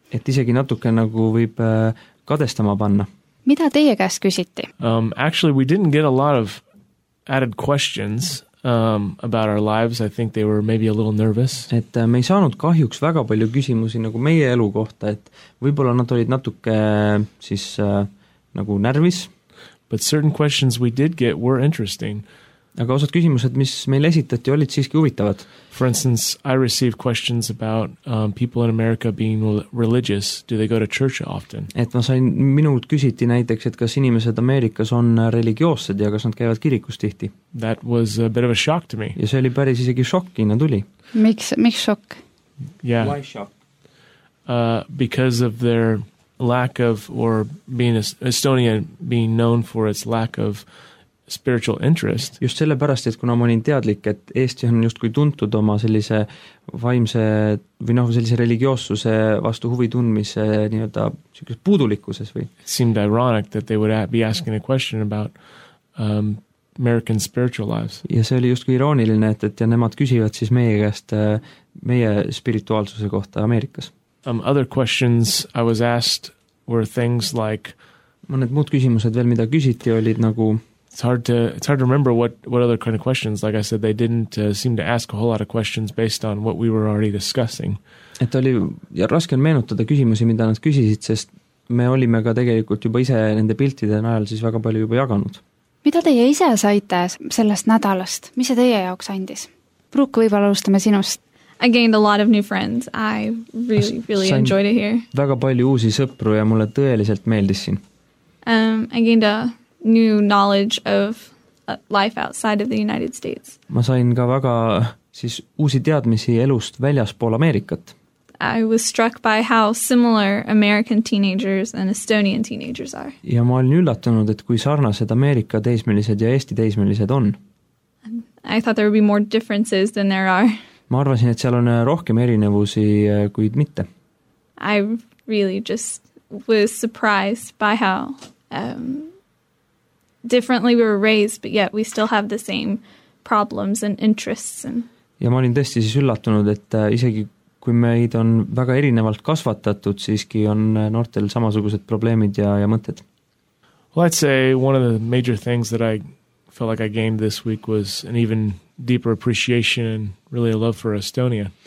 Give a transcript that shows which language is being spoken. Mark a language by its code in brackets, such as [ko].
[et] Et isegi natuke nagu võib kadestama panna. Mida teie käest küsiti? [en] Actually, we didn't get a lot of added questions about our lives. I think they were maybe a little nervous. [et] Et me ei saanud kahjuks väga palju küsimusi nagu meie elukohta, et võibolla nad olid natuke siis nagu närvis. [en] But certain questions we did get were interesting. [et] Aga osad küsimused, mis meil esitati, olid siiski huvitavad. [en] For instance, I received questions about people in America being religious. Do they go to church often? [et] Et ma sain minult küsiti näiteks, et kas inimesed Ameerikas on religioossed ja kas nad käivad kirikus tihti. [en] That was a bit of a shock to me. [et] Ja see oli päris isegi shock, kiina tuli. Miks shock? [en] Yeah. Why shock? Because of their lack of, or being Estonia being known for its lack of spiritual interest. [et] Just sellepärast, et kuna ma olin teadlik, et Eesti on just kui tuntud oma sellise vaimse või noh, sellise religioossuse vastu huvi tundmise nii-öelda sellises puudulikkuses või. [en] It seemed ironic that they would be asking a question about American spiritual lives. [et] Ja see oli just kui irooniline, et ja nemad küsivad siis meie käest meie spirituaalsuse kohta Ameerikas. [en] Other questions I was asked were things like [et] mõned muud küsimused veel, mida küsiti, olid nagu [en] it's hard to remember what other kind of questions. Like I said, they didn't seem to ask a whole lot of questions based on what we were already discussing. [et] Et oli ja raske on meenutada küsimusi, mida nad küsisid, sest me olime ka tegelikult juba ise nende piltide najal siis väga palju juba jaganud. Mida teie ise saite sellest nädalast? Mis see teie jaoks andis? Brooke, võib-olla alustame sinust. [en] I gained a lot of new friends. I really, really enjoyed it here. [et] Väga palju uusi sõpru ja mulle tõeliselt meeldis siin. [en] I gained a new knowledge of life outside of the United States. [et] Ma sain ka väga siis uusi teadmisi elust väljaspool Ameerikat. [en] I was struck by how similar American teenagers and Estonian teenagers are. [et] Ja ma olin üllatunud, et kui sarnased Ameerika teismelised ja Eesti teismelised on. [en] I thought there would be more differences than there are. [et] Ma arvasin, et seal on rohkem erinevusi, kuid mitte. [en] I really just was surprised by how differently we were raised, but yet we still have the same problems and interests. And... [et] Ja ma olin tõesti siis üllatunud, et isegi kui meid on väga erinevalt kasvatatud, siiski on noortel samasugused probleemid ja mõted. [en] Well, I'd say one of the major things that I felt like I gained this week was an even deeper appreciation and really a love for Estonia.